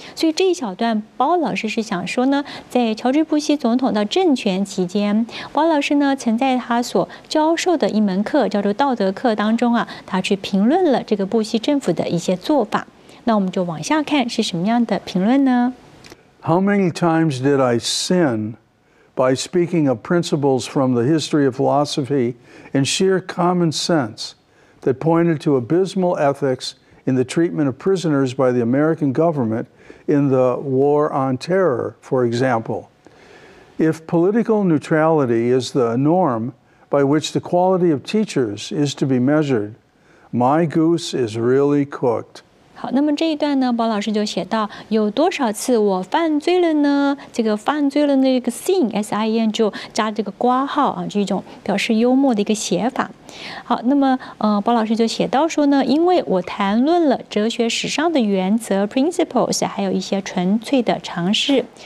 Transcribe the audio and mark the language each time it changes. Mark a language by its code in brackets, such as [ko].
[zh] 所以这一小段，包老师是想说呢，在乔治布希总统的政权期间，包老师呢曾在他所教授的一门课叫做道德课当中啊，他去评论了这个布希政府的一些做法。那我们就往下看是什么样的评论呢？ [en] How many times did I sin by speaking of principles from the history of philosophy and sheer common sense that pointed to abysmal ethics in the treatment of prisoners by the American government in the war on terror, for example? If political neutrality is the norm by which the quality of teachers is to be measured,My goose is really cooked. [zh] 好，那么这一段呢，包老师就写到，有多少次我犯罪了呢？这个犯罪了那个 sin s i n 就加这个括号啊，这种表示幽默的一个写法。好，那么包老师就写到说呢，因为我谈论了哲学史上的原则 principles， 还有一些纯粹的尝试。